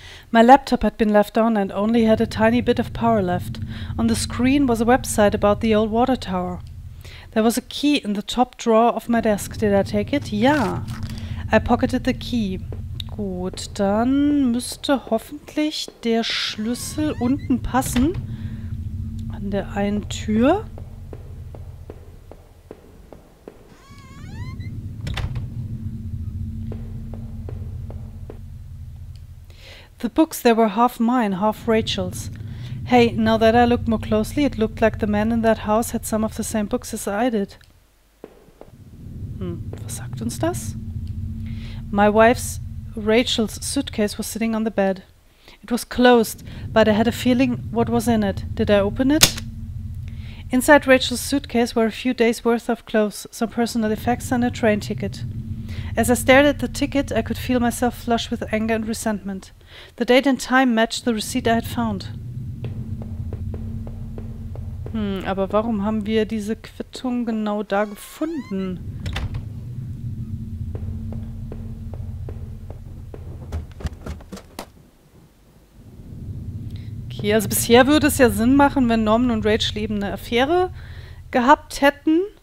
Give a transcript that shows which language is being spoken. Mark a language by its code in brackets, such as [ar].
[en] My laptop had been left on and only had a tiny bit of power left. On the screen was a website about the old water tower. There was a key in the top drawer of my desk. Did I take it? Ja. I pocketed the key. [de] Gut, dann müsste hoffentlich der Schlüssel unten passen. An der einen Tür. [en] The books, they were half mine, half Rachel's. Hey, now that I looked more closely, it looked like the man in that house had some of the same books as I did. Was sagt uns das? My wife's, Rachel's, suitcase was sitting on the bed. It was closed, but I had a feeling what was in it. Did I open it? Inside Rachel's suitcase were a few days' worth of clothes, some personal effects and a train ticket. As I stared at the ticket, I could feel myself flush with anger and resentment. The date and time matched the receipt I had found. [de] Aber warum haben wir diese Quittung genau da gefunden? Okay, also bisher würde es ja Sinn machen, wenn Norman und Rachel eben eine Affäre gehabt hätten.